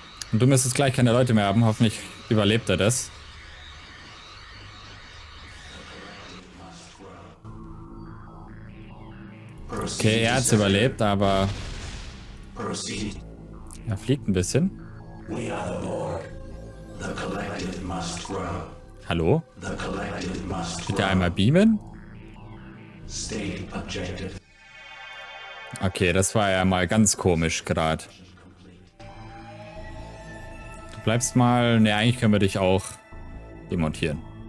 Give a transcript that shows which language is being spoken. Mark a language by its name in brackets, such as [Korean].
[German] Und du müsstest gleich keine Leute mehr haben. Hoffentlich überlebt er das. Okay, er hat es überlebt, aber er fliegt ein bisschen. [English] We are the Borg. The collective must grow. [German] Hallo? [English] The collective must grow. [German] Bitte einmal beamen? [English] State objective. [German] Okay, das war ja mal ganz komisch gerade. Du bleibst mal. Ne, eigentlich können wir dich auch demontieren.